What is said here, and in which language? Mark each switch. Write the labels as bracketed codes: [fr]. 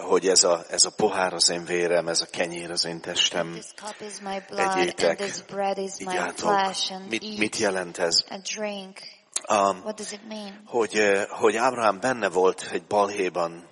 [hu] Hogy ez a pohár az én vérem, ez a kenyér az én testem. [en] This cup is my blood and this bread is my flesh. [hu] Mit jelent ez? [en] A drink. What does it mean? [hu] Hogy Ábrahám benne volt egy balhéban.